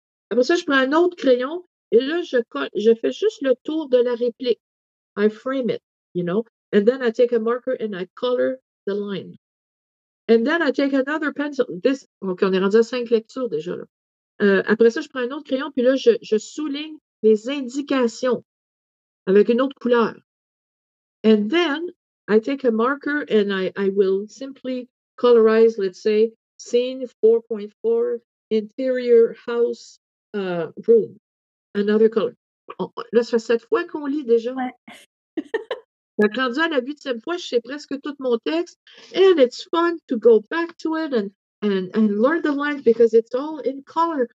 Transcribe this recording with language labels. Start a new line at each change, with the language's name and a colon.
French: Après ça, je prends un autre crayon et là, je fais juste le tour de la réplique.
English: I frame it, you know? And then I take a marker and I color the line. And then I take another pencil. This, OK,
French: on est rendu à 5 lectures déjà, là. Après ça, je prends un autre crayon, puis là, je souligne les indications avec une autre couleur.
English: And then, I take a marker and I will simply colorize, let's say, scene 4.4, interior house room. Another color.
French: Là, ça fait 7 fois qu'on lit déjà. Ouais. Donc, rendu à la 8e fois, je sais presque tout mon texte.
English: And it's fun to go back to it and learn the lines because it's all in color.